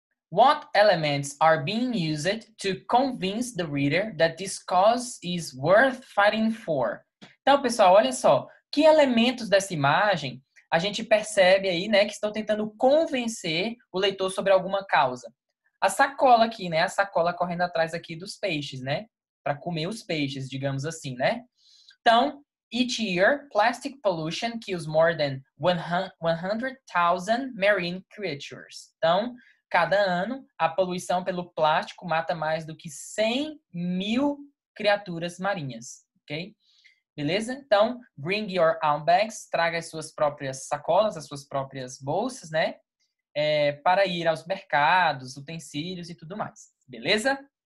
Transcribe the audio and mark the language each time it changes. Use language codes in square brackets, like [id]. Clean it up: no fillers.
[en] What elements are being used to convince the reader that this cause is worth fighting for? [pt] Então, pessoal, olha só. Que elementos dessa imagem a gente percebe aí, né, que estão tentando convencer o leitor sobre alguma causa? A sacola aqui, né? A sacola correndo atrás aqui dos peixes, né? Para comer os peixes, digamos assim, né? [en] Então, each year, plastic pollution kills more than 100,000 marine creatures. [pt] Então, cada ano, a poluição pelo plástico mata mais do que 100 mil criaturas marinhas, ok? Beleza? Então, [en] bring your own bags, [pt] traga as suas próprias sacolas, as suas próprias bolsas, né? É, para ir aos mercados, utensílios e tudo mais, beleza?